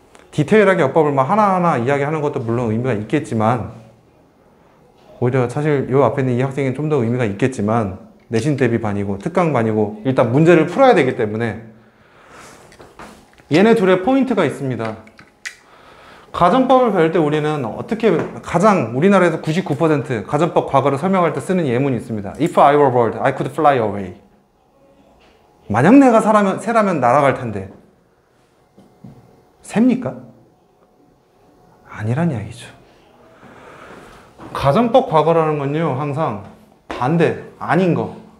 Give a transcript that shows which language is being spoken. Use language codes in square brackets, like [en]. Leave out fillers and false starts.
[ko] 디테일하게 어법을 막 하나하나 이야기하는 것도 물론 의미가 있겠지만, 오히려 사실 요 앞에 있는 이 학생은 좀 더 의미가 있겠지만, 내신 대비 반이고 특강 반이고 일단 문제를 풀어야 되기 때문에 얘네 둘의 포인트가 있습니다. 가정법을 배울 때 우리는 어떻게 가장 우리나라에서 99% 가정법 과거를 설명할 때 쓰는 예문이 있습니다. [en] If I were bird, I could fly away. [ko] 만약 내가 새라면 날아갈 텐데. 셉니까? 아니란 이야기죠. 가정법 과거라는 건요, 항상 반대, 아닌 거.